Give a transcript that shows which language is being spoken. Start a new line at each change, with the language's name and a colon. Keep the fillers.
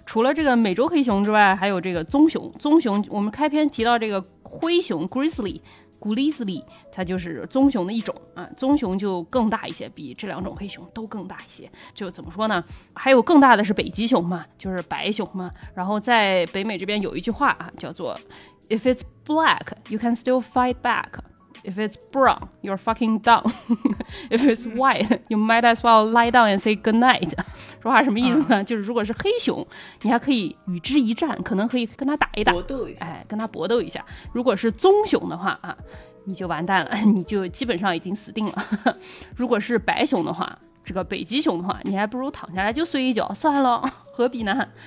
Chinese: 除了这个美洲黑熊之外，还有这个棕熊。棕熊，我们开篇提到这个灰熊 （grizzly）。古利斯利，它就是棕熊的一种啊，棕熊就更大一些，比这两种黑熊都更大一些。就怎么说呢？还有更大的是北极熊嘛，就是白熊嘛。然后在北美这边有一句话啊，叫做
English: "If it's black, you can still fight back." If it's brown, you're fucking d u m b If it's white, you might as well lie down and say good night.
Chinese: 说话什么意思呢？Uh, 就是如果是黑熊，你还可以与之一战，可能可以跟他打一打，搏斗一下。哎，跟他搏斗一下。如果是棕熊的话啊，你就完蛋了，你就基本上已经死定了。如果是白熊的话，这个北极熊的话，你还不如躺下来就睡一觉，算了，何必呢？